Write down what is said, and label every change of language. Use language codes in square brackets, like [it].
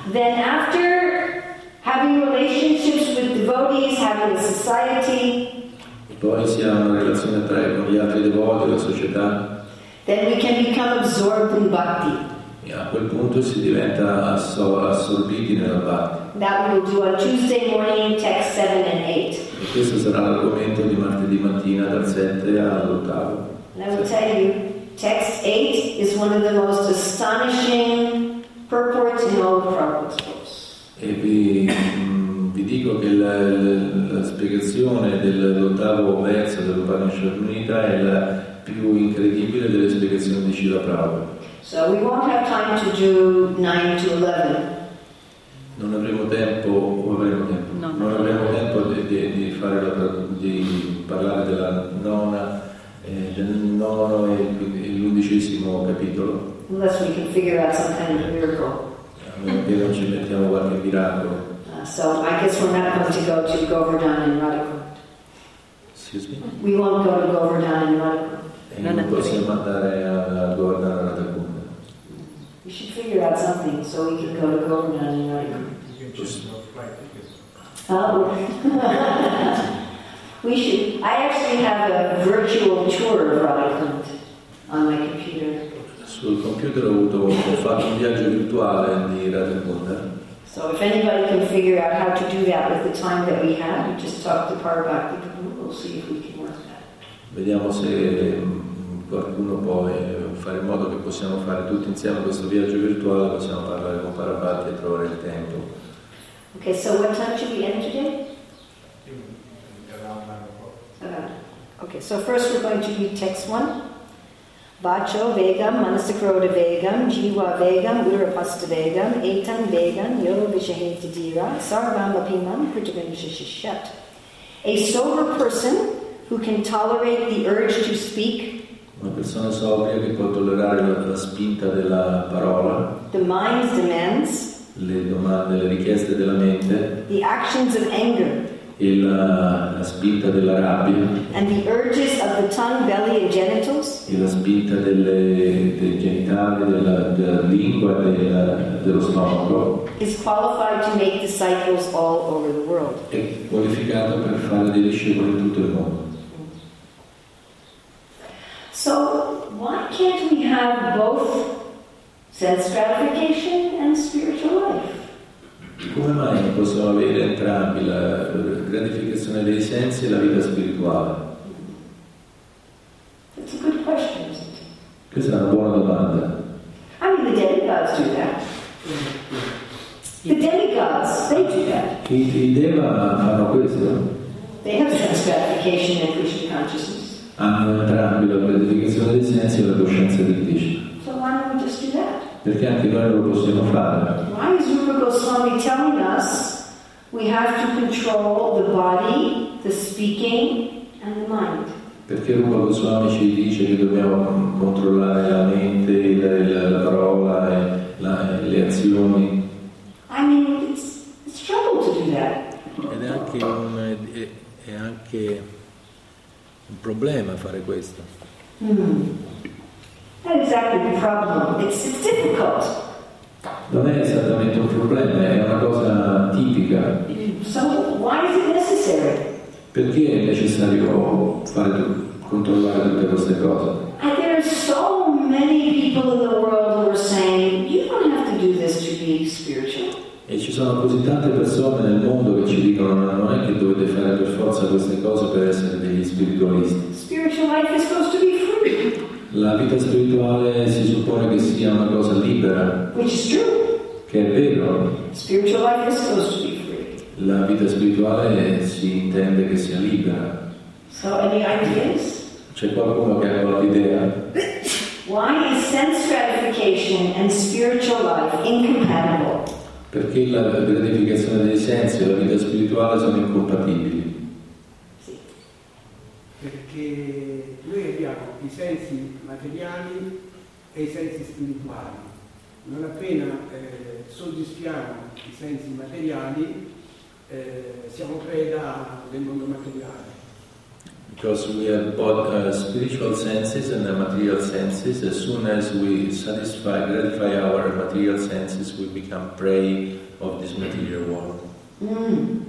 [en] Then after having relationships with devotees, having a society. [it] Poi si ha una relazione tra con gli altri devoti, la società. [en] Then we can become absorbed in bhakti. [it] A quel punto si diventa assorbiti nella parte. [en] That we will do on Tuesday morning, text 7 and 8. [it] E questo sarà l'argomento di martedì mattina dal 7 all'8. [en] And I will tell you, text 8 is one of the most astonishing purports in all the Prabhupada's books. [it] E vi dico che la spiegazione dell'8 verso dell'Upanishadunita è la più incredibile delle spiegazioni di Srila Prabhupada. [en] So we won't have time to do 9-11. [it] Non avremo tempo, o avremo tempo? No, non avremo tempo di fare di parlare della nona, del nono e l'undicesimo capitolo. [en] Unless we can figure out some kind of miracle. [it] A meno che non ci mettiamo qualche miracolo. [en] So I guess we're not going to go to Govardhan and Radhakund. Excuse me. We won't go to Govardhana and not. [it] Non possiamo andare a Govardhana Radhakunda. [en] We should figure out something so we can go to Govardhana and not. We should. I actually have a virtual tour of Radhakunda on my computer. [it] Sul computer ho fatto un viaggio virtuale di Radhakunda. [en] So if anybody can figure out how to do that with the time that we have, we just talk to Parvati Prabhu, we'll see if we can work that. [it] Vediamo se qualcuno può fare in modo che possiamo fare tutti insieme questo viaggio virtuale, possiamo parlare con Parvati e trovare il tempo. [en] Okay, so what time should we end today? Okay, so first we're going to read text one. [sa] Vacho vegam, manasakroda vegam, jiva vegam, urapasta vegam, etam vegam, yo vishahinti dira, sarvam apimam, kritabhinishishishat. [en] A sober person who can tolerate the urge to speak. [it] Una persona sobria che può tollerare la spinta della parola. [en] The mind's demands. [it] Le domande, le richieste della mente. [en] The actions of anger. [it] E la spinta della rabbia. [en] And the urges of the tongue, belly and genitals. [it] E la spinta dei genitali, della lingua e dello stomaco. [en] Is qualified to make disciples all over the world. [it] È qualificato per fare dei discepoli in tutto il mondo. [en] So why can't we have both sense gratification and spiritual life? [it] Come mai non possiamo avere entrambi la gratificazione dei sensi e la vita spirituale? [en] That's a good question, isn't it? [it] Questa è una buona domanda. [en] I mean, the demigods do that. The demigods, they do that. [it] I deva fanno questo. [en] They have sense gratification and Krishna consciousness. [it] Hanno entrambi la gratificazione dei sensi e la coscienza di Krishna. [en] So why don't we just do that? [it] Perché anche noi lo possiamo fare. [en] Why is Rupa Goswami telling us we have to control the body, the speaking, and the mind? [it] Perché Rupa Goswami ci dice che dobbiamo controllare la mente, la parola, le azioni? [en] I mean, it's trouble to do that. [it] Ed è anche un problema fare questo. [en] Not exactly the problem. It's difficult. [it] Non è esattamente un problema, è una cosa tipica. [en] So why is it necessary? [it] Perché è necessario controllare tutte queste cose? [en] And there are so many people in the world who are saying you don't have to do this to be spiritual. [it] E ci sono così tante persone nel mondo che ci dicono non è che dovete fare per forza queste cose per essere degli spiritualisti. [en] Spiritual life is supposed to be free. [it] La vita spirituale si suppone che sia una cosa libera. [en] Which is true. [it] Che è vero. [en] Spiritual life is supposed to be free. [it] La vita spirituale si intende che sia libera. [en] So any ideas? [it] C'è qualcuno che ha qualche idea? [en] Why is sense gratification and spiritual life incompatible? [it] Perché la gratificazione dei sensi e la vita spirituale sono incompatibili? Sì. Perché noi abbiamo i sensi materiali e i sensi spirituali. Non appena soddisfiamo i sensi materiali, siamo preda del mondo materiale. [en] Because we have both spiritual senses and the material senses, as soon as we gratify our material senses, we become prey of this material world.